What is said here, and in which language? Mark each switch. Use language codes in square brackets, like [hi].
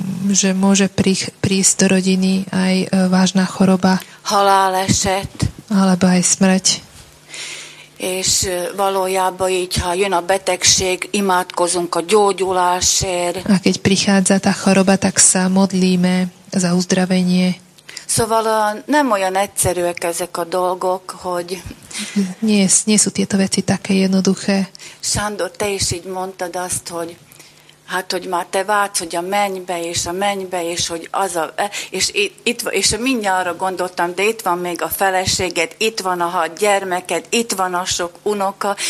[sk] Že môže prísť do rodiny aj vážna choroba. [hu] Haláleset. [sk] Alebo aj smrť. [hu] És valójában így, ha jön a betegség, imádkozunk a gyógyulásért. [sk] A keď prichádza tá choroba, tak sa modlíme za uzdravenie. [hu] Szóval nem olyan egyszerűek ezek a dolgok, hogy... [sk] Nie sú tieto veci také jednoduché. [hu] Sándor, te is így mondtad azt, hogy... Hát, hogy már te vágysz, hogy a mennybe, és a mennybe, és hogy az a... És itt, és mindjárt arra gondoltam, de itt van még a feleséged, itt van a hat gyermeked, itt van a sok unoka.